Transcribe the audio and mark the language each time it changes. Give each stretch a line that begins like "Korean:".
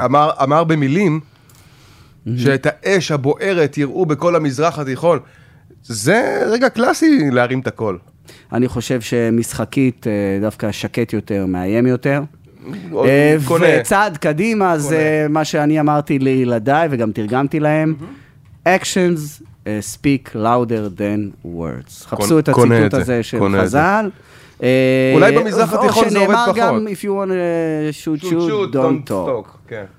Hebrew: אמר, אמר במילים שאת האש הבוערת יראו בכל המזרח התיכון. זה רגע קלאסי להרים את הכל. אני חושב שמשחקית דווקא שקט יותר, מאיים יותר. קונה. וצעד קדימה קונה. זה מה שאני אמרתי לילדיי וגם תרגמתי להם.
English: Actions speak louder than words.
Hebrew: חפשו את הציטוט הזה של חז"ל. אולי במזרח התיכון זה עובד פחות. או שנאמר גם,
English: if you want to shoot, don't talk.